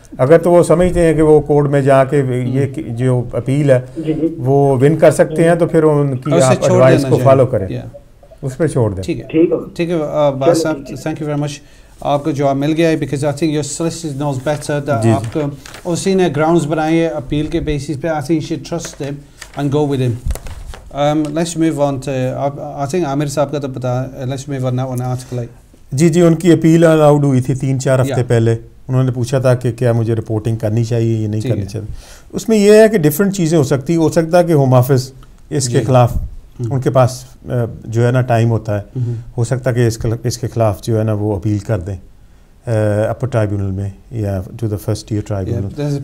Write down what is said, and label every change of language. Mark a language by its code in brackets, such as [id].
[ur] اگر تو وہ سمجھتے ہیں کہ وہ کورٹ میں جا کے یہ جو اپیل ہے وہ ون کر سکتے ہیں تو پھر ان کی آپ ایڈوائس کو فالو کریں, اس پہ چھوڑ دیں. ٹھیک ہے ٹھیک ہے بھائی صاحب, [en] Thank you very much. [ur] آپ کو جواب مل گیا ہے [en] Because I think your solicitor knows better. [ur] آپ کو اسی نے گراؤنڈز بنائے ہیں اپیل کے بیسس پہ, [en] I think you should trust them and go with him. Let's move on to, [ur] I think Amir sahab ka to pata, [en] let's move on now on article. [ur] جی جی, ان کی اپیل الاؤڈ ہوئی تھی 3-4 ہفتے پہلے. انہوں نے پوچھا تھا کہ کیا مجھے رپورٹنگ کرنی چاہیے یا نہیں کرنی چاہیے. اس میں یہ ہے کہ ڈفرینٹ چیزیں ہو سکتی, ہو سکتا کہ ہوم آفس اس کے خلاف ان کے پاس جو ہے نا ٹائم ہوتا ہے, ہو سکتا کہ اس کے خلاف جو ہے نا وہ اپیل کر دیں اپر ٹرائیبونل میں یا [en] To the first tier tribunal.